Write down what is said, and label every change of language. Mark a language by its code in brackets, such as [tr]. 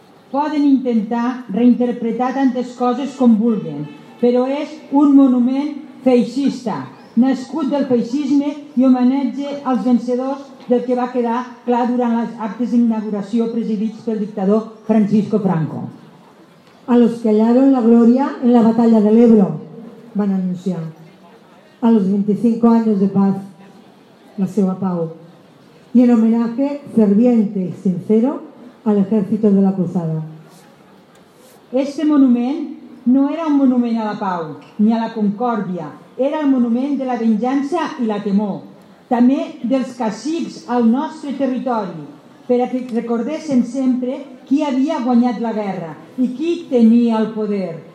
[ca] Poden intentar reinterpretar tantes coses com vulguen, però és un monument feixista, nascut del feixisme i homenatge als vencedors del que va quedar clar durant els actes d'inauguració presidits pel dictador Francisco Franco. [es] A los que hallaron la gloria en la batalla del Ebro, van anunciar. A los 25 años de paz, [ca] la seva pau. [es] Y en homenaje ferviente y sincero al ejército de la cruzada. [ca] Este monument no era un monument a la pau ni a la concòrdia, era el monument de la venjança i la temor, també dels cacics al nostre territori, per a que recordessin sempre qui havia guanyat la guerra i qui tenia el poder.